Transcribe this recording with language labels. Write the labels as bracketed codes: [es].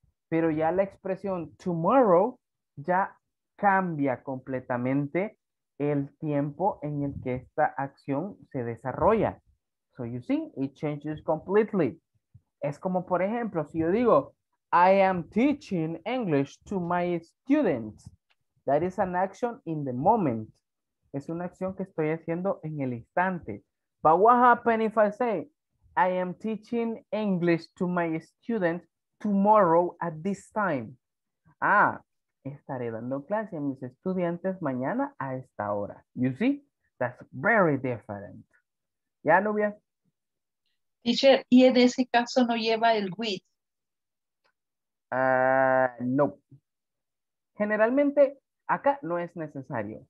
[es] Pero ya la expresión tomorrow ya cambia completamente el tiempo en el que esta acción se desarrolla. [en] So you see, it changes completely. [es] Es como, por ejemplo, si yo digo, [en] I am teaching English to my students. That is an action in the moment. [es] Es una acción que estoy haciendo en el instante. [en] But what happens if I say, I am teaching English to my students tomorrow at this time? [es] Ah, estaré dando clase a mis estudiantes mañana a esta hora. [en] You see? That's very different. ¿Ya, Nubia? [es] Teacher, ¿y en ese caso no lleva el with? No. Generalmente, acá no es necesario.